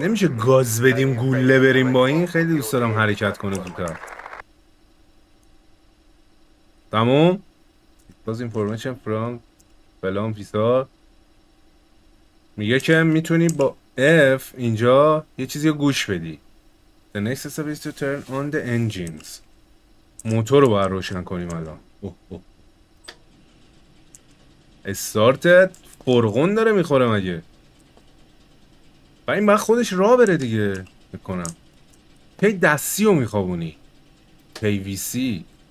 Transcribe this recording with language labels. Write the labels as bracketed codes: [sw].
[fa] نمیشه گاز بدیم گوله بریم با این. خیلی دوست دارم حرکت کنه زودتر. تموم. باز [en] information from [fa] فلان فیسار میگه که میتونی با F اینجا یه چیزی رو گوش بدی. [en] The next step is to turn on the engines. [fa] موتور رو باید روشن کنیم الان. استارتت فرغون داره میخوره مگه؟ و این باید خودش را بره دیگه میکنم. پی دستی رو میخوابونی. پی وی سی.